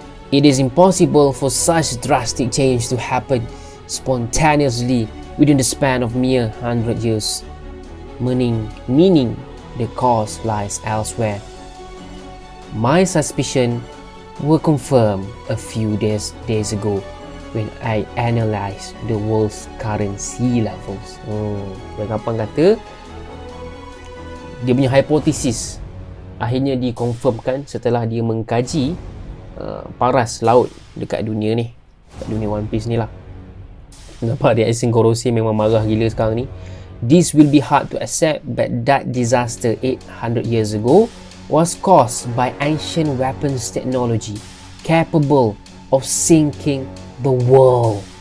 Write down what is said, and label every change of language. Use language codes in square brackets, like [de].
[en] It is impossible for such drastic change to happen spontaneously within the span of mere 100 years. Meaning the cause lies elsewhere. My suspicion were confirmed a few days ago when I analyzed the world's current sea levels. [ms] Gampang kata dia punya hipotesis akhirnya dikonfirmkan setelah dia mengkaji paras laut dekat dunia ni, dekat dunia One Piece ni lah. Nampak dia Aisin Gorosei memang marah gila sekarang ni. [en] This will be hard to accept, but that disaster 800 years ago was caused by ancient weapons technology capable of sinking the world.